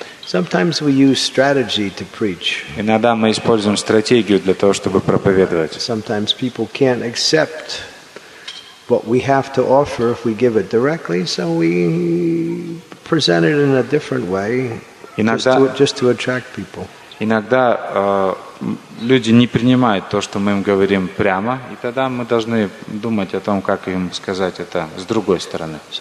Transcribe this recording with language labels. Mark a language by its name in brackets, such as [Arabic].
[English] Sometimes we use strategy to preach. [Russian] Иногда мы используем стратегию для того, чтобы проповедовать. [English] Sometimes people can't accept what we have to offer if we give it directly, so we present it in a different way, just to attract people. [Russian] Иногда люди не принимают то, что мы им говорим прямо, и тогда мы должны думать о том, как им сказать это с другой стороны.